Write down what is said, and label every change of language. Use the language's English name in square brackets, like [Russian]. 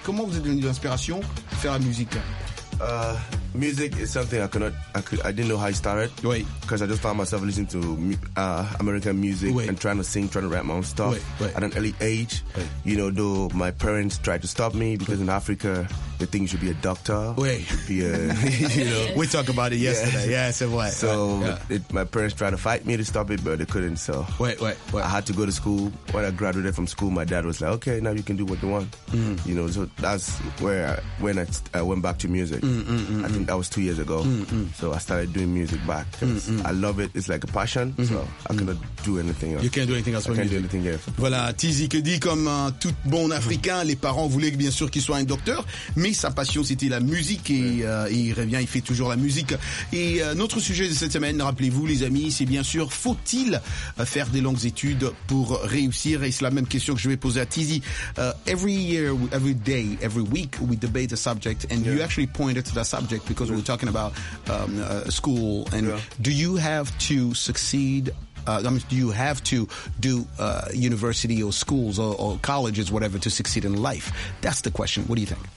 [French] Comment vous êtes donné l'inspiration pour faire la musique? [English] Music is something I didn't know how it started. [French] Oui. [English] Because I just found myself listening to American music. [French] Oui. [English] And trying to sing, trying to rap my own stuff. [French] Oui. Oui. [English] At an early age, [French] oui. [English] You know, though my parents tried to stop me because in Africa, they think you should be a doctor. [French] Oui. [English] Be a, you know. We talked about it yesterday. Yeah, so what? So my parents tried to fight me to stop it, but they couldn't. So Wait. I had to go to school. When I graduated from school, my dad was like, okay, now you can do what you want. Mm. You know, so that's where when I went back to music. I think that was 2 years ago. So I started doing music back. I love it. It's like a passion. So I cannot do anything else. You can't do anything else. I can't do anything else. [French] Voilà, Tizzy que dit comme tout bon Africain. Les parents voulaient bien sûr qu'il soit un docteur, mais sa passion c'était la musique et il revient, il fait toujours la musique. Et notre sujet de cette semaine, rappelez-vous les amis, c'est bien sûr, faut-il faire des longues études pour réussir? Et c'est la même question que je vais poser à Tizzy. [English] Every year, every day, every week, we debate a subject and you actually pointed to that subject because we're talking about school. And do you have to succeed? I mean, do you have to do university or schools or colleges, whatever, to succeed in life? That's the question. What do you think?